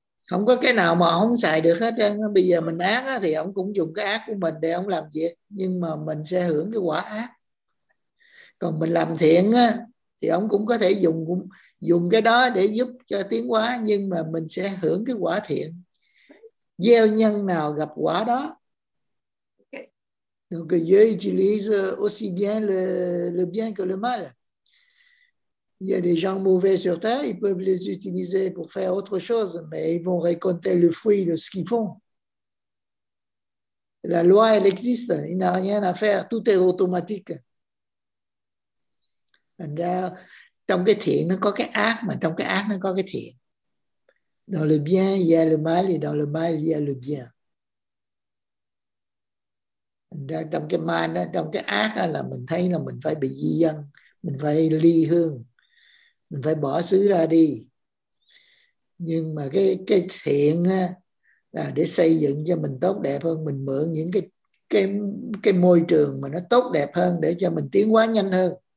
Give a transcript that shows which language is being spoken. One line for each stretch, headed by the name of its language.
Vietnamese: Không có cái nào mà không xài được hết trơn. Bây giờ mình ác thì ông cũng dùng cái ác của mình để ông làm việc, nhưng mà mình sẽ hưởng cái quả ác. Còn mình làm thiện thì ông cũng có thể dùng cái đó để giúp cho tiến hóa, nhưng mà mình sẽ hưởng cái quả thiện. Gieo nhân nào gặp quả đó.
French: Donc Dieu utilise aussi bien le bien que le mal. Il y a des gens mauvais sur terre, ils peuvent les utiliser pour faire autre chose, mais ils vont récolter le fruit de ce qu'ils font. La loi, elle existe, il n'y a rien à faire, tout est automatique.
Vietnamese: Trong cái thiện, nó có cái ác, mà trong cái ác, nó có cái thiện.
French: Dans le bien, il y a le mal, et dans le mal, il y a le bien.
Vietnamese: Trong cái ma đó, trong cái ác đó là mình thấy là mình phải bị di dân, mình phải ly hương, mình phải bỏ xứ ra đi. Nhưng mà cái thiện là để xây dựng cho mình tốt đẹp hơn, mình mượn những cái môi trường mà nó tốt đẹp hơn để cho mình tiến hóa nhanh hơn.